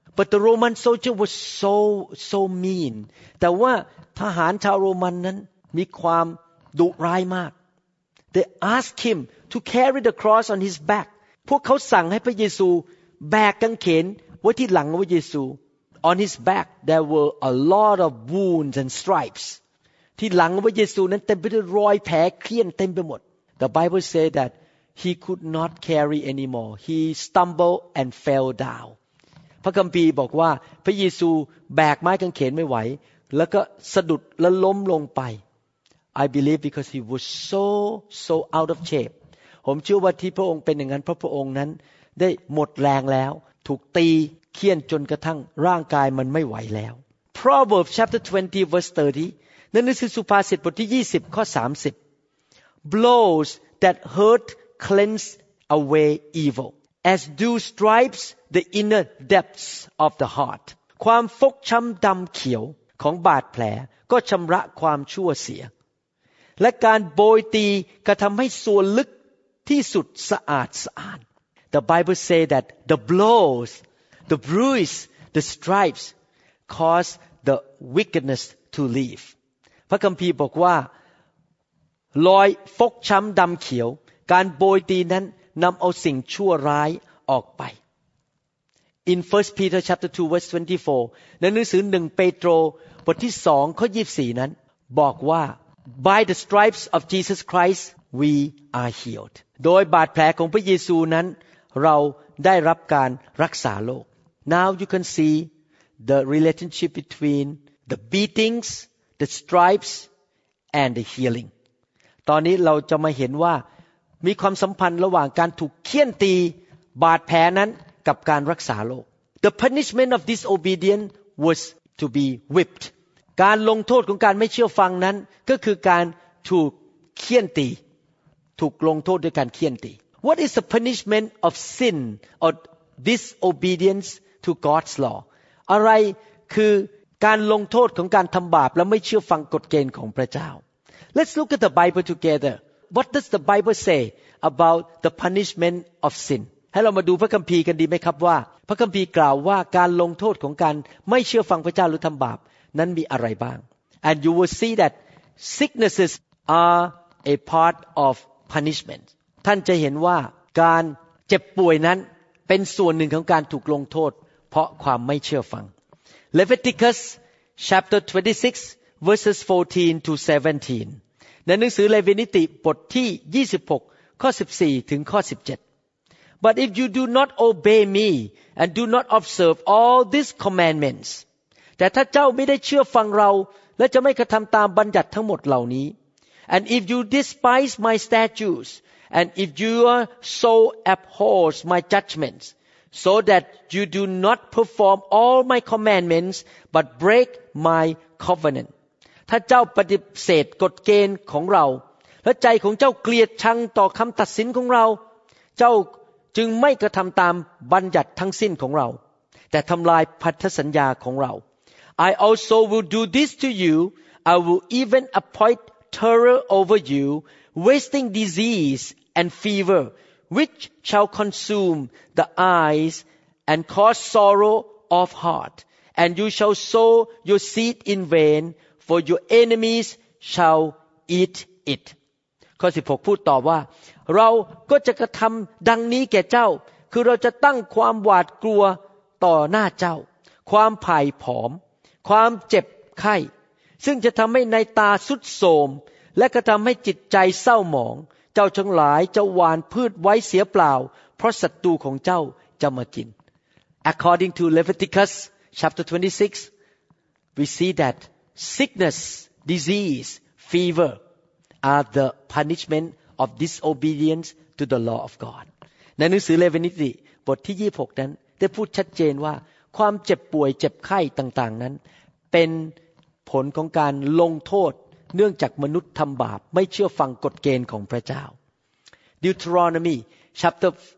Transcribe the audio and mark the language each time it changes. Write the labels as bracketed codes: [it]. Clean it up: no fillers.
[en] But the Roman soldier was so mean [th] แต่ว่าทหารชาวโรมันนั้นมีความดุร้ายมาก [en] They asked him to carry the cross on his back [th] พวกเขาสั่งให้พระเยซูแบกกางเขนไว้ที่หลังพระเยซู [en] On his back there were a lot of wounds and stripes [th] ที่หลังพระเยซูนั้นเต็มไปด้วยรอยแผลเคลื่อนเต็มไปหมด [en] The Bible say that he could not carry anymore he stumbled and fell down [th] พระคัมภีร์บอกว่าพระเยซูแบกไม้กางเขนไม่ไหวแล้วก็สะดุดและล้มลงไป [en] I believe because he was so out of shape [th] ผมเชื่อว่าที่พระองค์เป็นอย่างนั้นเพราะพระองค์นั้นได้หมดแรงแล้วถูกตีเคี่ยนจนกระทั่งร่างกายมันไม่ไหวแล้ว [en] Proverbs chapter 20 verse 30 [th] นั่นคือสุภาษิตบทที่20ข้อ30 [en] Blows that hurt cleanse away evil as do stripes the inner depths of the heart [th] ความฟกช้ำดำเขียวของบาดแผลก็ชำระความชั่วเสียและการโบยตีก็ทำให้ส่วนลึกที่สุดสะอาดสะอาด [en] The Bible say that the blows the bruise the stripes cause the wickedness to leave [th] พระคัมภีร์บอกว่ารอยฟกช้ำดำเขียวการโบยตีนั้นนำเอาสิ่งชั่วร้ายออกไป [en] In 1 Peter chapter 2 verse 24 [th] ในหนังสือ1เปโตรบทที่2ข้อ24นั้นบอกว่า [en] By the stripes of Jesus Christ we are healed [th] โดยบาดแผลของพระเยซูนั้นเราได้รับการรักษาโรค [en] Now you can see the relationship between the beatingsThe stripes and the healing. [th] ตอนนี้เราจะมาเห็นว่ามีความสัมพันธ์ระหว่างการถูกเฆี่ยนตีบาดแผลนั้นกับการรักษาโรค [en] The punishment of disobedience was to be whipped. [th] การลงโทษของการไม่เชื่อฟังนั้นก็คือการถูกเฆี่ยนตีถูกลงโทษด้วยการเฆี่ยนตี [en] What is the punishment of sin or disobedience to God's law? [th] อะไรคือการลงโทษของการทำบาปและไม่เชื่อฟังกฎเกณฑ์ของพระเจ้า [en] Let's look at the Bible together. What does the Bible say about the punishment of sin? [th] ให้เรามาดูพระคัมภีร์กันดีไหมครับว่าพระคัมภีร์กล่าวว่าการลงโทษของการไม่เชื่อฟังพระเจ้าหรือทำบาปนั้นมีอะไรบ้าง [en] And you will see that sicknesses are a part of punishment. [th] ท่านจะเห็นว่าการเจ็บป่วยนั้นเป็นส่วนหนึ่งของการถูกลงโทษเพราะความไม่เชื่อฟัง [en] Leviticus chapter 26 verses 14 to 17. [th] ในหนังสือเลวีนิติบทที่26ข้อ14ถึงข้อ17. [en] But if you do not obey me and do not observe all these commandments, [th] แต่ถ้าเจ้าไม่ได้เชื่อฟังเราและจะไม่กระทำตามบัญญัติทั้งหมดเหล่านี้ [en] and if you despise my statutes and if you are so abhors my judgments. So that you do not perform all my commandments, but break my covenant. [th] ถ้าเจ้าปฏิเสธกฎเกณฑ์ของเราและใจของเจ้าเกลียดชังต่อคำตัดสินของเราเจ้าจึงไม่กระทำตามบัญญัติทั้งสิ้นของเราแต่ทำลายพันธสัญญาของเรา [en] I also will do this to you. I will even appoint terror over you, wasting disease and fever. Which shall consume the eyes and cause sorrow of heart, and you shall sow your seed in vain, for your enemies shall eat it. [th] ข้อ 16 พูดต่อว่าเราก็จะกระทำดังนี้แก่เจ้าคือเราจะตั้งความหวาดกลัวต่อหน้าเจ้าความผ่ายผอมความเจ็บไข้ซึ่งจะทำให้ในตาสุดโสมและกระทำให้จิตใจเศร้าหมองเจ้าทั้งหลายจะหว่านพืชไว้เสียเปล่าเพราะศัตรูของเจ้าจะมากิน [en] According to Leviticus chapter 26 we see that sickness disease fever are the punishment of disobedience to the law of God. [th] ในหนังสือเลวีนิติบทที่26นั้นได้พูดชัดเจนว่าความเจ็บป่วยเจ็บไข้ต่างๆนั้นเป็นผลของการลงโทษเนื่องจากมนุษย์ทำบาปไม่เชื่อฟังกฎเกณฑ์ของพระเจ้า [en] Deuteronomy chapter